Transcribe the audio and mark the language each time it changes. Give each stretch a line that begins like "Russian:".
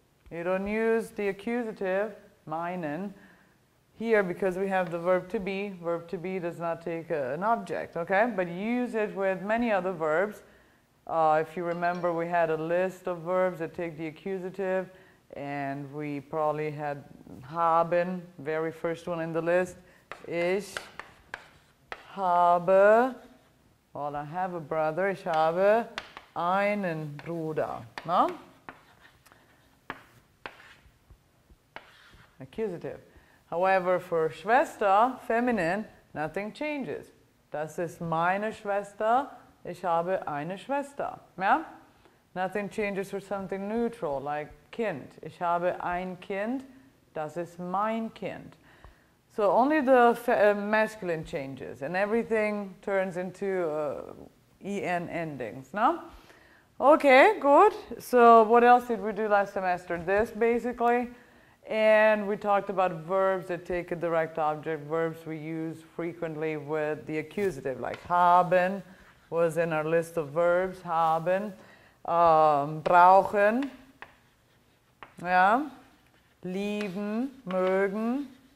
English: You don't use the accusative, meinen, here, because we have the verb to be does not take an object, okay? But you use it with many other verbs. If you remember, we had a list of verbs that take the accusative, and we probably had haben, very first one in the list.
German: Ich habe,
English: well, I have a brother,
German: ich habe einen Bruder,
English: no? Accusative. However, for Schwester, feminine, nothing changes.
German: Das ist meine Schwester, ich habe eine Schwester. Yeah?
English: Nothing changes for something neutral, like Kind.
German: Ich habe ein Kind, das ist mein Kind.
English: So only the masculine changes, and everything turns into en endings, no? Okay, good. So what else did we do last semester? This, basically. And we talked about verbs that take a direct object, verbs we use frequently with the accusative, like haben was in our list of verbs, haben, brauchen, yeah, lieben, mögen,